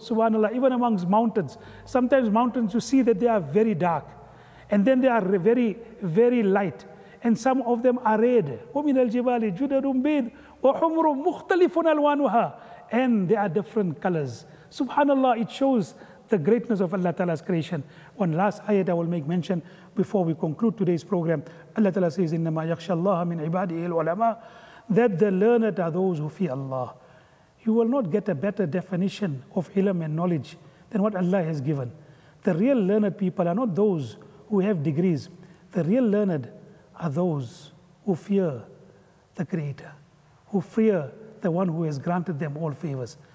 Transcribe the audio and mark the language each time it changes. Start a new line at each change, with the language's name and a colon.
English: Subhanallah, even amongst mountains, sometimes mountains you see that they are very dark, and then they are very, very light. And some of them are red.
Arabic: وَمِنَ الْجِبَالِ جُدَدٌ بِيضٌ وَحُمُرٌ مُخْتَلِفٌ أَلْوَانُهَا.
English: And they are different colors. Subhanallah, it shows the greatness of Allah Ta'ala's creation. One last ayat I will make mention before we conclude today's program. Allah Ta'ala says,
Arabic: إِنَّمَا يَخْشَى اللَّهَ مِنْ عِبَادِهِ الْعُلَمَاءِ.
English: That the learned are those who fear Allah. You will not get a better definition of ilm and knowledge than what Allah has given. The real learned people are not those who have degrees. The real learned are those who fear the Creator, who fear the one who has granted them all favors.